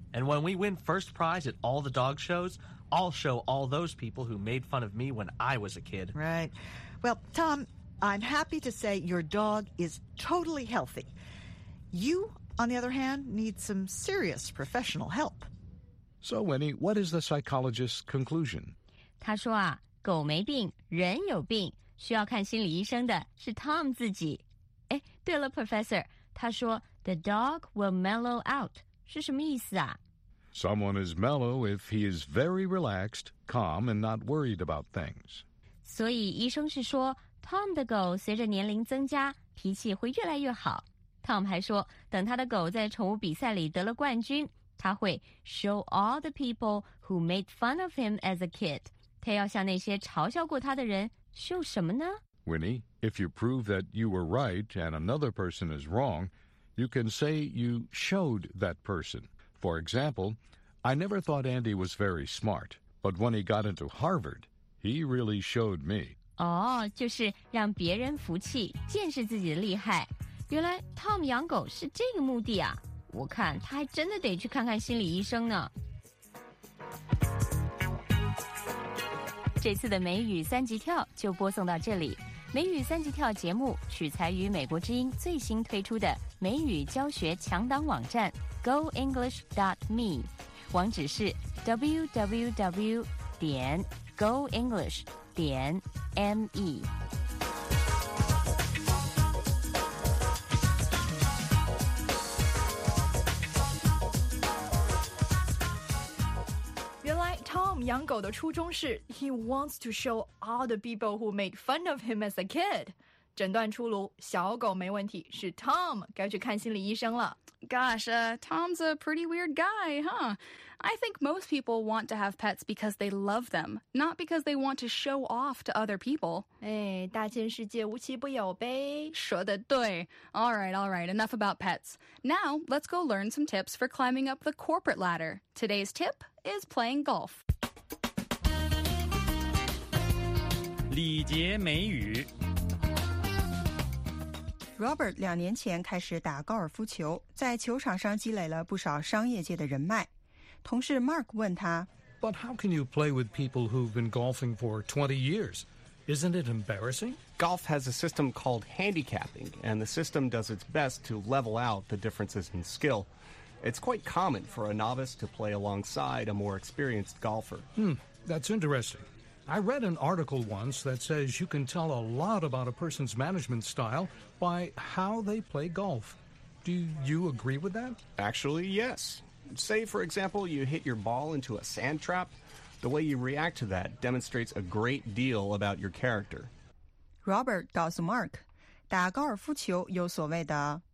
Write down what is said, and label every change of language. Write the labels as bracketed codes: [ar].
[en] And when we win first prize at all the dog shows, I'll show all those people who made fun of me when I was a kid. Right. Well, Tom, I'm happy to say your dog is totally healthy. You, on the other hand, need some serious professional help. So, Winnie, what is the psychologist's conclusion? [zh] 他说啊，狗没病，人有病，需要看心理医生的是 Tom 自己。对了 ，Professor， 他说 [en] "the dog will mellow out" [zh] 是什么意思啊 [en] Someone is mellow if he is very relaxed, calm, and not worried about things. [zh] 所以医生是说 ,Tom 的狗随着年龄增加脾气会越来越好。 Tom 还说等他的狗在宠物比赛里得了冠军他会 [en] show all the people who made fun of him as a kid. [zh] 他要向那些嘲笑过他的人 show 什么呢 [en] ?Winnie, if you prove that you were right and another person is wrong, you can say you showed that person. For example, I never thought Andy was very smart, but when he got into Harvard, he really showed me. [zh] 哦、oh, 就是让别人服气见识自己的厉害。原来 Tom 养狗是这个目的啊我看他还真的得去看看心理医生呢。这次的美语三级跳就播送到这里。美语三级跳节目取材于美国之音最新推出的美语教学强档网站 goenglish.me。网址是 www.goenglish.me。养狗的初衷是 [en] He wants to show all the people who made fun of him as a kid. [zh] 诊断出炉，小狗没问题，是 Tom 该去看心理医生了。 [en] Gosh, Tom's a pretty weird guy, huh? I think most people want to have pets because they love them, not because they want to show off to other people. [zh] 哎，大千世界无奇不有呗。说的对。 [en] All right, enough about pets. Now, let's go learn some tips for climbing up the corporate ladder. Today's tip is playing golf. [zh] 礼节美语 Robert 两年前开始打高尔夫球在球场上积累了不少商业界的人脉同事 Mark 问他 [en] But how can you play with people who've been golfing for 20 years? Isn't it embarrassing? Golf has a system called handicapping and the system does its best to level out the differences in skill It's quite common for a novice to play alongside a more experienced golfer That's interestingI read an article once that says you can tell a lot about a person's management style by how they play golf. Do you agree with that? Actually, yes. Say, for example, you hit your ball into a sand trap. The way you react to that demonstrates a great deal about your character. [zh] Robert 告诉 Mark, 打高尔夫球有所谓的